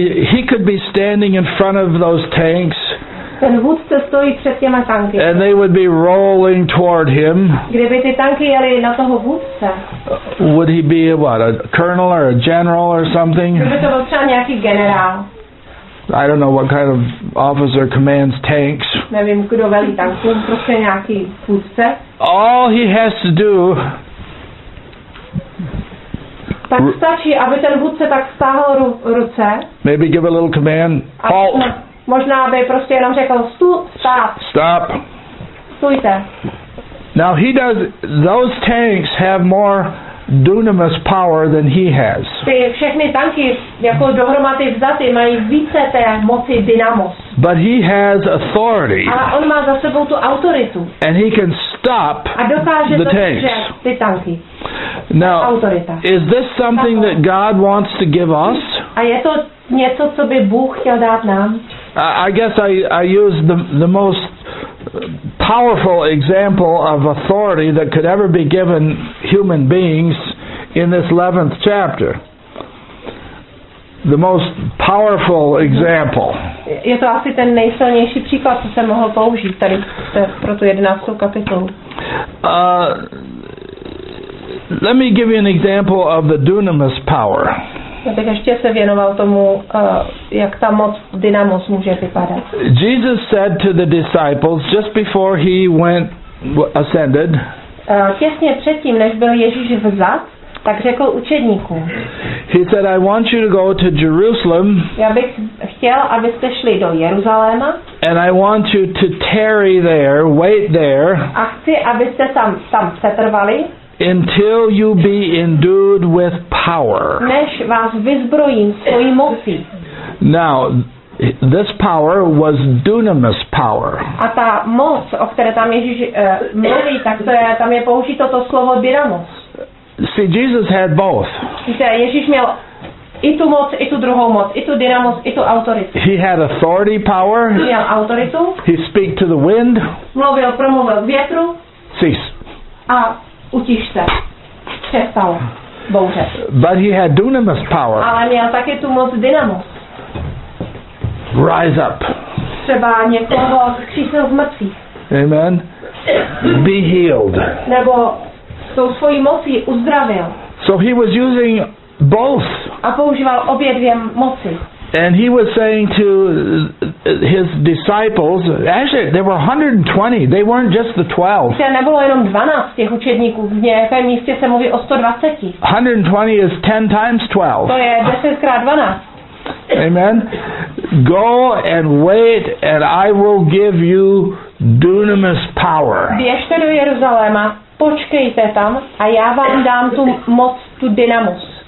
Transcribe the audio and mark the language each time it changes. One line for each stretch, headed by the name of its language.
English: He could be standing in front of those tanks.
Czech: Ten vůdce stojí před těma tanky.
English: And they would be rolling toward him.
Czech: Kdyby ty tanky jeli na toho vůdce.
English: Would he be a colonel or a general or something?
Czech: Kdyby to byl třeba nějaký generál.
English: I don't know what kind of officer commands tanks.
Czech: Nevím, kdo velí tankům, prostě nějaký vůdce.
English: All he has to do.
Czech: Tak stačí, aby ten vůdce tak stáhl ruce.
English: Maybe give a little command. Halt.
Czech: Možná by prostě jenom řekl stop.
English: Stop.
Czech: Stůjte.
English: Now he does. Those tanks have more dunamis power than he has.
Czech: Ty všechny tanky jako dohromady vzaty mají více té moci dynamos.
English: But he has authority.
Czech: A on má za sebou tu autoritu.
English: And he can stop the tanks.
Czech: A dokáže ty tanky.
English: Now,
Czech: autorita.
English: Is this something that God wants to give us?
Czech: A je to něco, co by Bůh chtěl dát nám?
English: I guess I use the most powerful example of authority that could ever be given human beings in this 11th chapter. The most powerful example.
Czech: Je to asi ten nejsilnější příklad, co jsem mohl použít tady pro tu 11. kapitolu.
English: Let me give you an example of the dunamis power.
Czech: Já bych ještě se věnoval tomu, jak ta moc dynamos může vypadat.
English: Jesus said to the disciples just before he went ascended.
Czech: Těsně předtím, než byl Ježíš vzat, tak řekl učedníkům.
English: He said, I want you to go to Jerusalem.
Czech: Já bych chtěl, abyste šli do Jeruzaléma.
English: And I want you to tarry there, wait there.
Czech: A chci, abyste tam setrvali.
English: Until you be endued with power.
Czech: Než vás vyzbrojím svojí mocí.
English: Now, this power was dunamis power.
Czech: A ta moc, o které tam Ježíš mluví, tak to je, tam je použito to slovo dynamos.
English: See, Jesus had both.
Czech: Víte, Ježíš měl i tu moc, i tu druhou moc, i tu dynamos, i tu autoritu.
English: He had authority power.
Czech: Měl autoritu.
English: He speak to the wind.
Czech: Mluvil, promluvil větru.
English: Cease.
Czech: A utiš se. Přestal.
English: But he had dunamis power.
Czech: Ale měl taky tu moc dynamos.
English: Rise up.
Czech: Třeba někoho zkřísil v mrtvých.
English: Amen. Be healed.
Czech: Nebo tou svojí mocí uzdravil.
English: So he was using both.
Czech: A používal obě dvě moci.
English: And he was saying to his disciples, actually there were 120, they weren't just the 12.
Czech: Víte, nebylo jenom 12 těch učedníků, v nějakém místě se mluví o 120.
English: 120 is 10 times 12.
Czech: To je 10x 12.
English: Amen. Go and wait and I will give you dunamis power.
Czech: Běžte do Jeruzaléma, počkejte tam a já vám dám tu moc, tu dynamos.